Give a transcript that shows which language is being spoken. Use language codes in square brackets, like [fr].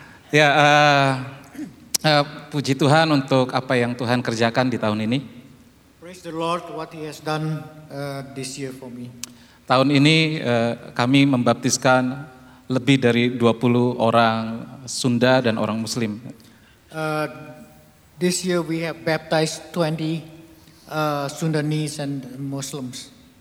[id] Yeah, puji Tuhan untuk apa yang Tuhan kerjakan di tahun ini. [en] Praise the Lord what he has done this year for me. [id] Tahun ini kami membaptiskan lebih dari 20 orang Sunda dan orang Muslim. [en] This year we have baptized 20 Sundanese and Muslims.